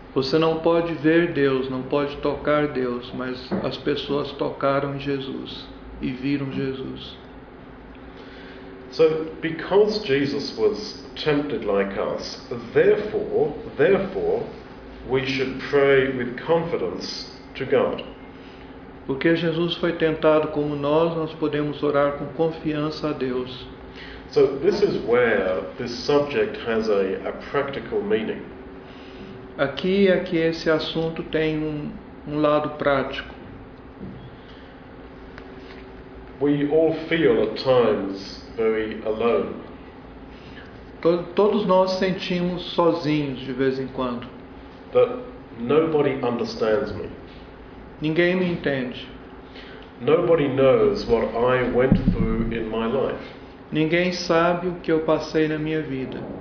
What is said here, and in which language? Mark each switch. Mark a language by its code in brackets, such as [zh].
[pt] Você não pode ver Deus, não pode tocar Deus, mas as pessoas tocaram em Jesus e viram Jesus. [en] So, because Jesus was tempted like us, therefore, we should pray with confidence to God. [pt] Porque Jesus foi tentado como nós podemos orar com confiança a Deus. [en] So, this is where this subject has a practical meaning. [pt] Aqui é que esse assunto tem um lado prático. [en] We all feel at times very alone. [pt] Todos nós sentimos sozinhos de vez em quando. [en] That nobody understands me. [pt] Ninguém me entende. [en] Nobody knows what I went through in my life. [pt] Ninguém sabe o que eu passei na minha vida.